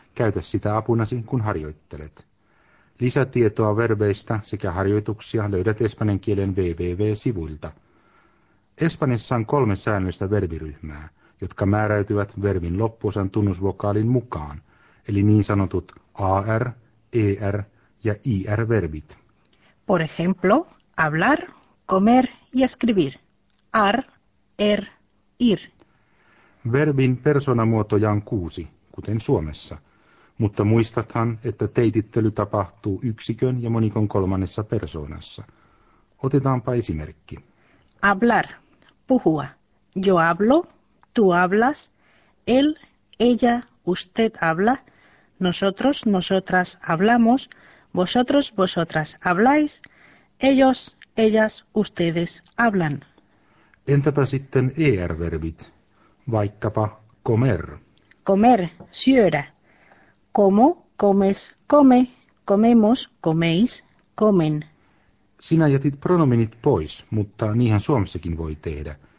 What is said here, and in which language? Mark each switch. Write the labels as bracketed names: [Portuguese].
[Finnish] Käytä sitä apunasi, kun harjoittelet. Lisätietoa verbeistä sekä harjoituksia löydät espanjan kielen www-sivuilta. Espanjassa on kolme säännöllistä verbiryhmää, jotka määräytyvät verbin loppuosan tunnusvokaalin mukaan, eli niin sanotut AR, ER ja IR-verbit. [Spanish] Por ejemplo, hablar, comer y escribir. AR, ER, IR. [Finnish] Verbin persoonamuotoja on kuusi, kuten Suomessa, mutta muistathan, että teitittely tapahtuu yksikön ja monikon kolmannessa persoonassa. Otetaanpa esimerkki. [Spanish] Hablar, puhua. Yo hablo, tú hablas, él, ella, usted habla, nosotros, nosotras hablamos, vosotros, vosotras habláis, ellos, ellas, ustedes hablan. [Finnish] Entäpä sitten ER-verbit, vaikkapa comer. [Spanish] Comer, syödä. Como, comes, come, comemos, coméis, comen. [Finnish] Sinä jätit pronominit pois, mutta niinhän Suomessakin voi tehdä.